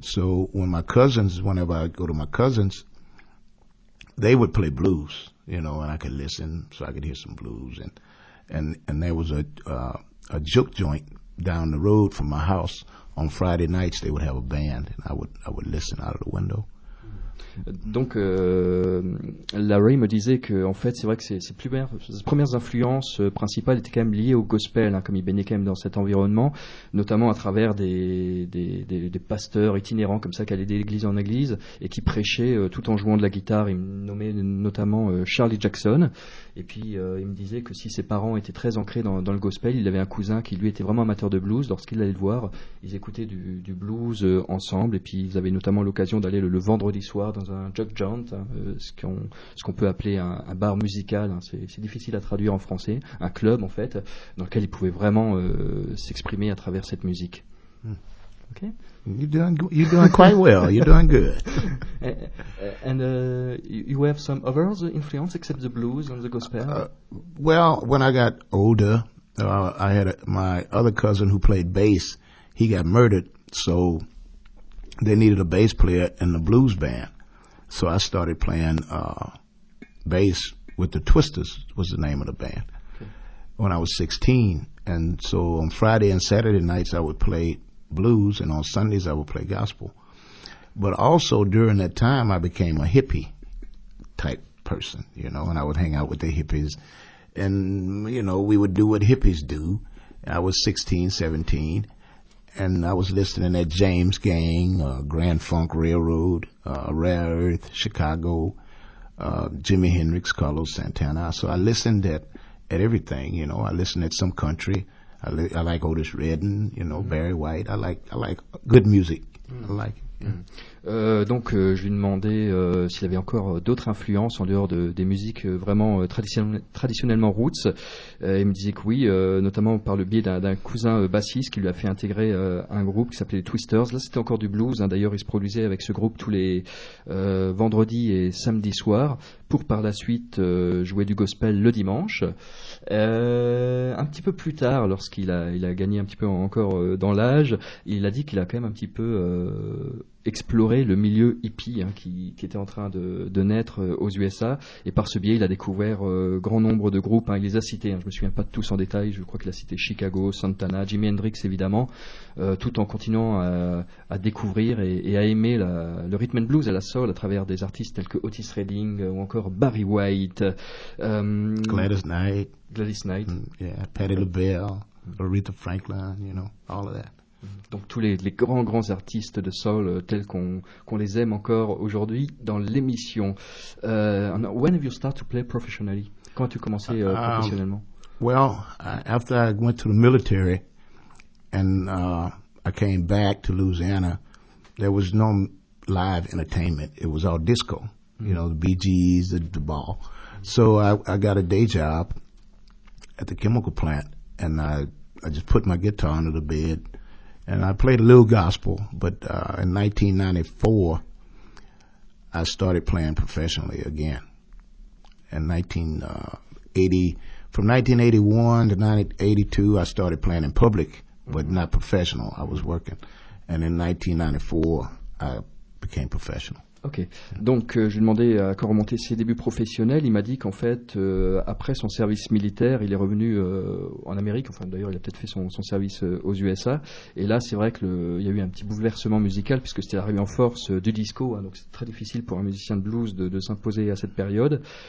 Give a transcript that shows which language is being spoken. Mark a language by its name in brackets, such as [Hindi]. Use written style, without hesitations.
[English] So whenever I go to my cousins, they would play blues, you know, and I could listen, so I could hear some blues. And there was a juke joint down the road from my house. On Friday nights, they would have a band, and I would listen out of the window. [French] Donc, Larry me disait que, en fait, c'est vrai que ses premières influences principales étaient quand même liées au gospel, hein, comme il baignait quand même dans cet environnement, notamment à travers des pasteurs itinérants comme ça qui allaient d'église en église et qui prêchaient tout en jouant de la guitare. Il me nommait notamment Charlie Jackson. Et puis, il me disait que si ses parents étaient très ancrés dans le gospel, il avait un cousin qui lui était vraiment amateur de blues. Lorsqu'il allait le voir, ils écoutaient du blues ensemble, et puis ils avaient notamment l'occasion d'aller le vendredi soir dans un jug joint, ce qu'on peut appeler un bar musical, hein, c'est difficile à traduire en français, un club en fait, dans lequel il pouvait vraiment s'exprimer à travers cette musique. [English] Mm. Okay. You're doing quite well. You're doing good. And you have some other influence except the blues and the gospel. Well, when I got older, I had my other cousin who played bass. He got murdered, so they needed a bass player in the blues band. So I started playing bass with the Twisters, was the name of the band, okay. when I was 16. And so on Friday and Saturday nights, I would play blues, and on Sundays, I would play gospel. But also during that time, I became a hippie type person, you know, and I would hang out with the hippies. And, you know, we would do what hippies do. I was 16, 17. And I was listening at James Gang, Grand Funk Railroad, Rare Earth, Chicago, Jimi Hendrix, Carlos Santana. So I listened at everything, you know. I listened at some country. I like Otis Redding, you know, mm-hmm. Barry White. I like good music. Mm-hmm. I like it. [French] Je lui demandais s'il avait encore d'autres influences en dehors des musiques vraiment traditionnellement roots. Il me disait que oui, notamment par le biais d'un cousin bassiste qui lui a fait intégrer un groupe qui s'appelait les Twisters. Là, c'était encore du blues. Hein. D'ailleurs, il se produisait avec ce groupe tous les vendredis et samedis soirs pour par la suite jouer du gospel le dimanche. Un petit peu plus tard, lorsqu'il a gagné un petit peu encore dans l'âge, il a dit qu'il a quand même un petit peu explorer le milieu hippie hein, qui était en train de naître aux USA, et par ce biais il a découvert grand nombre de groupes, hein, il les a cités, hein, je ne me souviens pas de tous en détail, je crois qu'il a cité Chicago, Santana, Jimi Hendrix évidemment, tout en continuant à découvrir et à aimer le rhythm and blues et la soul à travers des artistes tels que Otis Redding ou encore Barry White, [English] Gladys Knight, Patti LaBelle, Aretha Franklin, you know, all of that. [French] Donc tous les grands, grands artistes de soul tels qu'on les aime encore aujourd'hui dans l'émission. [English] When have you started to play professionally? [French] Quand as-tu commencé professionnellement? [English] Well, after I went to the military and I came back to Louisiana, there was no live entertainment. It was all disco, mm-hmm. you know, the Bee Gees, the ball. So I got a day job at the chemical plant, and I just put my guitar under the bed. And I played a little gospel, but in 1994, I started playing professionally again. In 1981 to 1982, I started playing in public, but not professional. I was working. And in 1994, I became professional. Ok. [French] Donc, je lui ai demandé à quand remontaient ses débuts professionnels. Il m'a dit qu'en fait, après son service militaire, il est revenu en Amérique. Enfin, d'ailleurs, il a peut-être fait son service aux USA. Et là, c'est vrai qu'il y a eu un petit bouleversement musical, puisque c'était l'arrivée en force du disco. Hein, donc, c'est très difficile pour un musicien de blues de s'imposer à cette période.